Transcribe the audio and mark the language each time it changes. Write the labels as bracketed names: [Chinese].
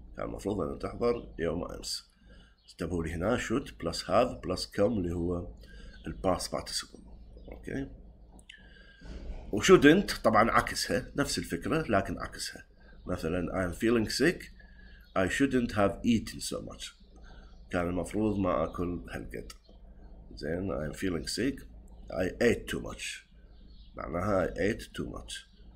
[Arabic] كان المفروض أنه تحضر يوم أمس. استبهوا لي هنا should plus have plus come اللي هو الباست بارتيسيبل. [English] Okay. [Arabic] وشودنت طبعا عكسها نفس الفكرة لكن عكسها. مثلا [English] I'm feeling sick. I shouldn't have eaten so much. [Arabic] كان المفروض ما أكل هالقد. [English] Then I'm feeling sick. I ate too much. [Arabic] معناها [English] I ate too much.